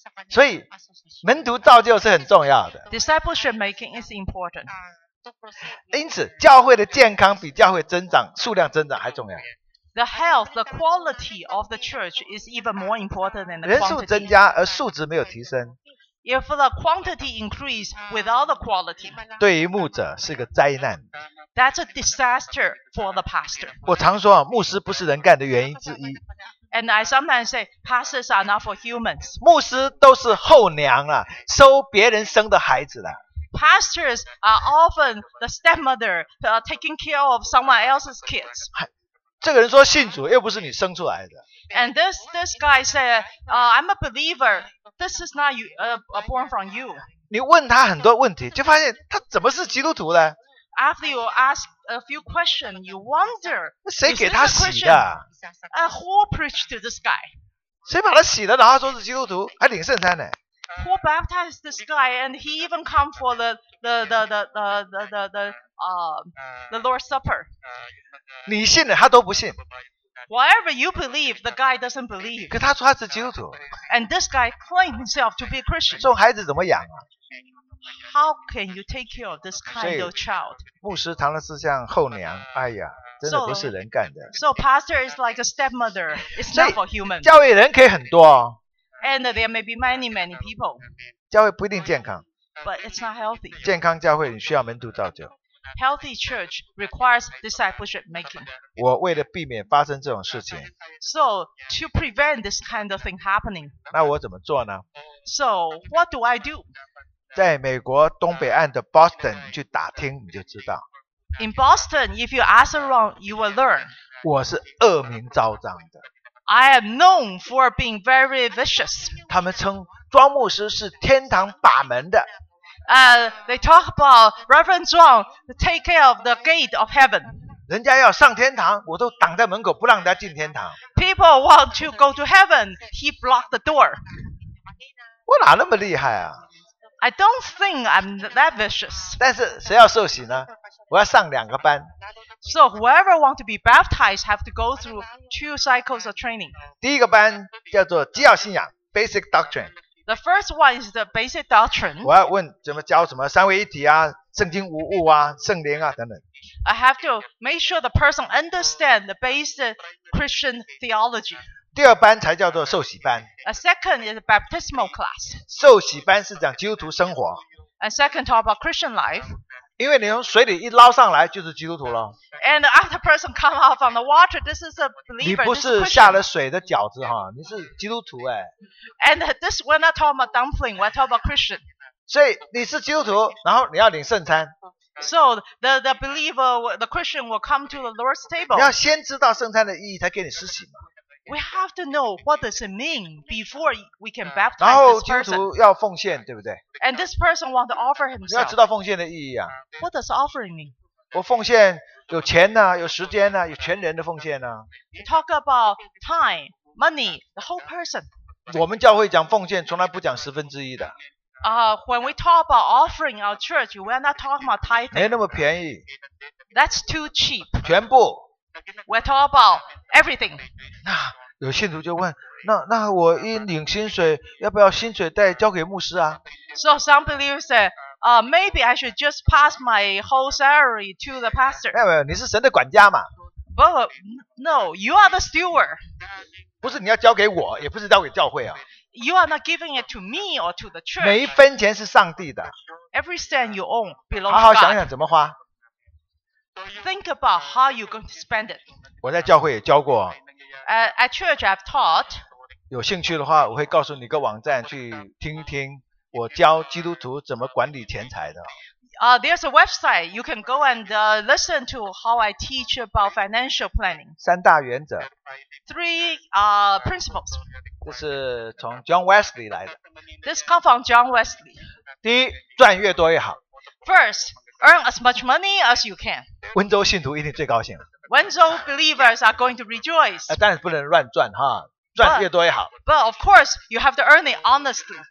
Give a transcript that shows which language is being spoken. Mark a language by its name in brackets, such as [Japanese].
[Chinese] 所以门徒造就是很重要的。 [English] Discipleship making is important. [Chinese] 因此教会的健康比教会增长数量增长还重要。 [English] The health, the quality of the church is even more important than the [Chinese] quantity. 人数增加而素质没有提升。 [English] If the quantity increase without the quality. [Chinese] 对于牧者是个灾难。 [English] That's a disaster for the pastor. [Chinese] 我常说，牧师不是人干的原因之一。 [English] And I sometimes say, pastors are not for humans. [Chinese] 牧师都是后娘啊，收别人生的孩子的。 [English] Pastors are often the stepmother, taking care of someone else's kids. [Chinese] 这个人说信主，又不是你生出来的。 [English] And this guy said, I'm a believer. This is not you, born from you. [Chinese] 你问他很多问题，就发现他怎么是基督徒呢？ [English] After you ask a few questions, you wonder, [Chinese] 谁给他洗的、 [English] who preached to this guy? [Chinese] 谁把他洗的然后说是基督徒还领圣餐呢 [English] Who baptized this guy and he even come for the Lord's Supper? [Chinese] 你信的他都不信。 [English] Whatever you believe, the guy doesn't believe. [Chinese] 可他说他是基督徒。 [English] And this guy claimed himself to be a Christian. [Chinese] 这种孩子怎么养啊？ [English] How can you take care of this kind of child? [Chinese] 牧师常常是像后娘，哎呀，真的不是人干的。 [English] So pastor is like a stepmother. It's not for human. [Chinese] 教会人可以很多。 [English] And there may be many, many people. [Chinese] 教会不一定健康。 [English] But it's not healthy. [Chinese] 健康教会你需要门徒造就。 [English] Healthy church requires discipleship making. [Chinese] 我为了避免发生这种事情。 [English] So to prevent this kind of thing happening. [Chinese] 那我怎么做呢 [English] ？So what do I do? [Chinese] 在美国东北岸的 Boston 去打听你就知道。 [English] In Boston, if you ask around, you will learn. [Chinese] 我是恶名昭彰的。 [English] I am known for being very vicious. [Chinese] 他们称庄牧师是天堂把门的。 [English] They talk about Reverend Zhuang take care of the gate of heaven. [Chinese] 人家要上天堂，我都挡在门口不让人家进天堂。 [English] People want to go to heaven, he blocked the door. [Chinese] 我哪那么厉害啊？ [English] I don't think I'm that vicious. [Chinese] 但是谁要受洗呢？我要上两个班。 [English] So whoever want to be baptized have to go through two cycles of training. [Chinese] 第一个班叫做基要信仰 ， [English] basic doctrine. The first one is the basic doctrine. [Chinese] 我要问怎么教什么三位一体啊，圣经无误啊，圣灵啊等等。 [English] I have to make sure the person understand the basic Christian theology. [Chinese] 第二班才叫做受洗班。 [English] A second is a baptismal class. [Chinese] 受洗班是讲基督徒生活。 [English] A second talk about Christian life. [Chinese] 因为你从水里一捞上来就是基督徒了。 [English] And after person come out from the water, this is a believer. [Chinese] 你不是下了水的饺子哈，你是基督徒哎。 [English] And this we're not talking about dumpling, we're talking about Christian. [Chinese] 所以你是基督徒，然后你要领圣餐。 [English] So the believer, the Christian will come to the Lord's table. [Chinese] 你要先知道圣餐的意义，才给你施洗嘛。 [English] We have to know what does it mean before we can baptize this person. [Chinese] 然后基督徒要奉献，对不对 [English] ？And this person want to offer himself. [Chinese] 你要知道奉献的意义啊。 [English] What does offering mean? [Chinese] 我奉献有钱呐、有时间呐、有全人的奉献呐、 [English] Talk about time, money, the whole person. [Chinese] 我们教会讲奉献，从来不讲十分之一的。 [English] When we talk about offering our church, we are not talking about tithing. [Chinese] 没那么便宜。 [English] That's too cheap. [Chinese] 全部。 [English] We're talking about everything. [Chinese] 那有信徒就问，那我一领薪水，要不要薪水带交给牧师啊 [English] ？So some believers say, maybe I should just pass my whole salary to the pastor. [Chinese] 没有，你是神的管家嘛 [English] ？But no, you are the steward. [Chinese] 不是你要交给我，也不是交给教会啊。 [English] You are not giving it to me or to the church. [Chinese] 每一分钱是上帝的。 [English] Every cent you own belongs to God. [Chinese] 好好想想怎么花。 [English] Think about how you're going to spend it. [Chinese] 我在教会也教过。 [English] At church I've taught. [Chinese] 有兴趣的话，我会告诉你一个网站去听一听，我教基督徒怎么管理钱财的。 [English] There's a website you can go and listen to how I teach about financial planning. [Chinese] 三大原则。 [English] Three principles. [Chinese] 这是从 John Wesley 来的。 [English] This comes from John Wesley. [Chinese] 第一，赚越多越好。 [English] First, earn as much money as you can. [Chinese] 温州信徒一定最高兴了。 [English] 温州 believers are going to rejoice. [Chinese] 但是不能乱赚哈，赚越多越好。 [English] But of course, you have to earn it honestly.